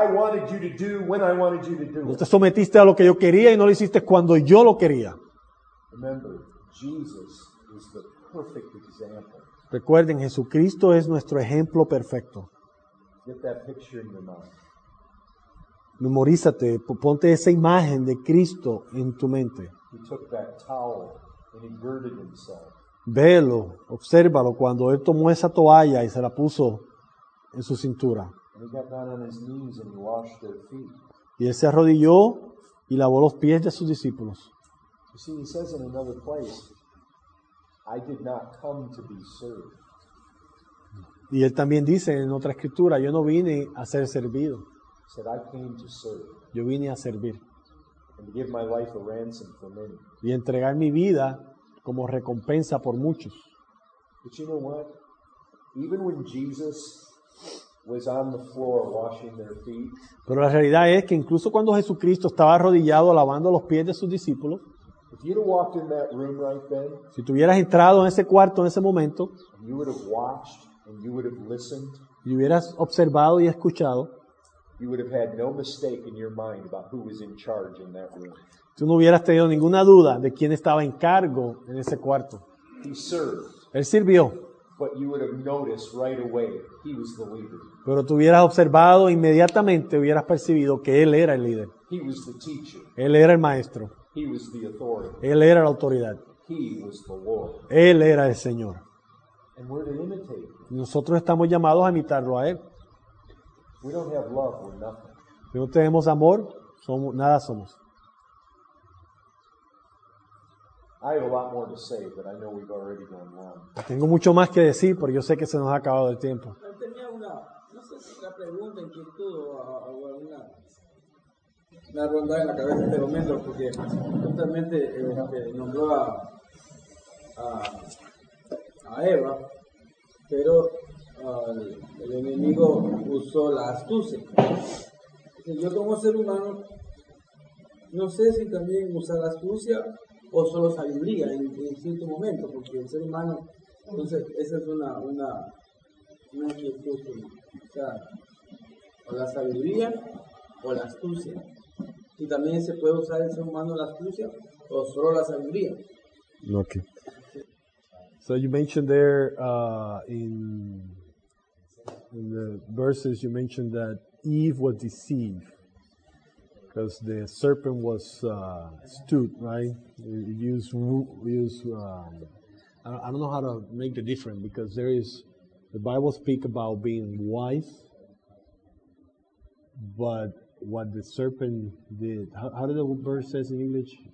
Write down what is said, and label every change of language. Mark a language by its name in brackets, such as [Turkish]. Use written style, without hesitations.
[Spanish] No te sometiste a lo que yo quería y no lo hiciste cuando yo lo quería. [English] Remember, Jesus is the perfect example. [Spanish] Recuerden, Jesucristo es nuestro ejemplo perfecto. [English] Get that picture in your mind. [Spanish] Memorízate, ponte esa imagen de Cristo en tu mente. [English] He took that towel and he girded himself. [Spanish] Velo, obsérvalo cuando él tomó esa toalla y se la puso en su cintura. [English] And he got down on his knees and he washed their feet. [Spanish] Y él se arrodilló y lavó los pies de sus discípulos. [English] You see, he says in another place, I did not come to be served. [Spanish] Y él también dice en otra escritura, yo no vine a ser servido. [English] He said, I came to serve. [Spanish] Yo vine a servir. [English] And to give my life a ransom for many. [Spanish] Y entregar mi vida como recompensa por muchos. [English] But you know what? Even when Jesus was on the floor washing their feet, [Spanish] pero la realidad es que incluso cuando Jesucristo estaba arrodillado lavando los pies de sus discípulos, [English] If you'd have walked in that room right then, [Spanish] si tú hubieras entrado en ese cuarto en ese momento, [English] and you would have watched and you would have listened, [Spanish] y hubieras observado y escuchado, [English] you would have had no mistake in your mind about who was in charge in that room. [Spanish] Tú no hubieras tenido ninguna duda de quién estaba en cargo en ese cuarto. [English] He served. [Spanish] Él sirvió. [English] But you would have noticed right away he was the leader. [Spanish] Pero tú hubieras observado inmediatamente, hubieras percibido que él era el líder. [English] He was the teacher. [Spanish] Él era el maestro. [English] He was the authority. [Spanish] Él era la autoridad. [English] He was the Lord. [Spanish] Él era el Señor. [English] And we're to imitate him. [Spanish] Nosotros estamos llamados a imitarlo a él. [English] We don't have love, we're nothing. [Spanish] Si no tenemos amor, somos, nada somos. [English] I have a lot more to say, but I know we've already gone long. [Spanish] Tengo mucho más que decir, pero yo sé que se nos ha acabado el tiempo. Tenía una, no sé si una pregunta, inquietud o alguna ronda en la cabeza de momento, porque justamente nombró a Eva, pero el enemigo usó la astucia. Yo como ser humano, no sé si también usar la astucia o solo sabiduría en cierto momento, porque el ser humano, entonces esa es una inquietud, o sea, o la sabiduría o la astucia, y también se puede usar el ser humano la astucia o solo la sabiduría. [English] Okay. So you mentioned there in the verses, you mentioned that Eve was deceived. Because the serpent was astute, right? I don't know how to make the difference, because there is, the Bible speak about being wise, but what the serpent did, how did the verse says in English?